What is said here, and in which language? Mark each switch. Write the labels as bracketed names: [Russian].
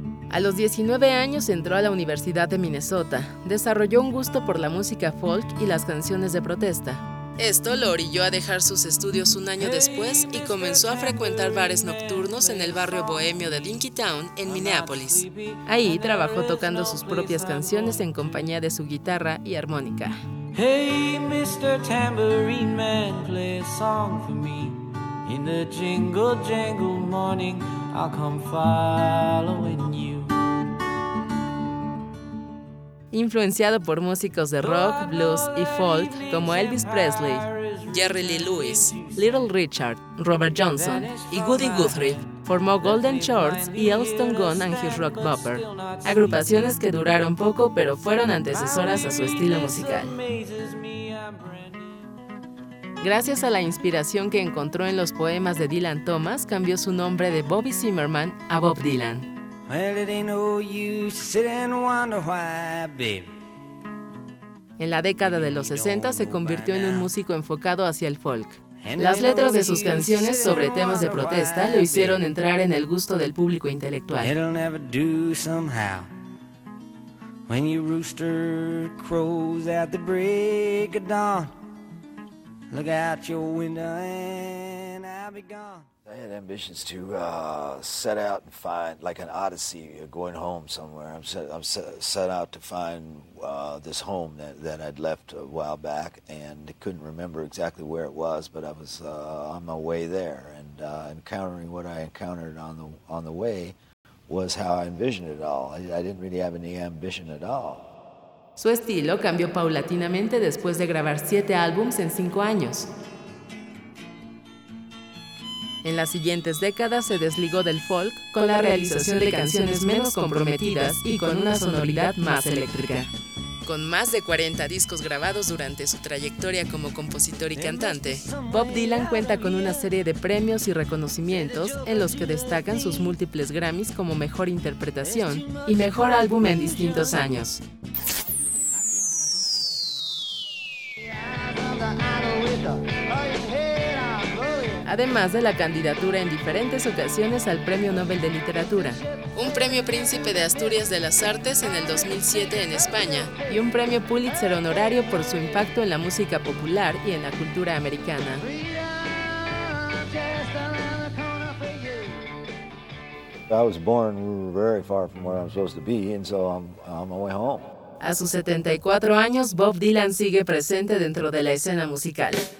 [Spanish] A los 19 años entró a la Universidad de Minnesota, desarrolló un gusto por la música folk y las canciones de protesta. Esto lo orilló a dejar sus estudios un año después y comenzó a frecuentar bares nocturnos en el barrio bohemio de Dinkytown, en Minneapolis. Ahí trabajó tocando sus propias canciones en compañía de su guitarra y armónica. [English] Hey, Mr. Tambourine Man, play a song for me. In the jingle jangle morning, I'll come following you. [Spanish] Influenciado por músicos de rock, blues y folk como Elvis Presley, Jerry Lee Lewis, Little Richard, Robert Johnson y Woody Guthrie, formó Golden Shorts y Elton John and His Rock Bopper, agrupaciones que duraron poco pero fueron antecesoras a su estilo musical. Gracias a la inspiración que encontró en los poemas de Dylan Thomas, cambió su nombre de Bobby Zimmerman a Bob Dylan. [English] Well, it ain't no use to sit and wonder why, baby. [Spanish] En la década de los 60 se convirtió en un músico enfocado hacia el folk. Las letras de sus canciones sobre temas de protesta lo hicieron entrar en el gusto del público intelectual. [English] It'll never do somehow when your rooster crows at the break of dawn. Look out your window and I'll be gone. I had ambitions to set out and find, like an odyssey, going home somewhere. I'm set out to find this home that I'd left a while back, and couldn't remember exactly where it was, but I was on my way there, and encountering what I encountered on the way was how I envisioned it all. I didn't really have any ambition at all. [Spanish] Su estilo cambió paulatinamente después de grabar 7 álbumes en 5 años. En las siguientes décadas se desligó del folk con la realización de canciones menos comprometidas y con una sonoridad más eléctrica. Con más de 40 discos grabados durante su trayectoria como compositor y cantante, Bob Dylan cuenta con una serie de premios y reconocimientos en los que destacan sus múltiples Grammys como Mejor Interpretación y Mejor Álbum en distintos años. Además de la candidatura en diferentes ocasiones al Premio Nobel de Literatura, un Premio Príncipe de Asturias de las Artes en el 2007 en España y un Premio Pulitzer Honorario por su impacto en la música popular y en la cultura americana. [English] I was born very far from where I'm supposed to be, and so I'm on my way home. [Spanish] A sus 74 años, Bob Dylan sigue presente dentro de la escena musical.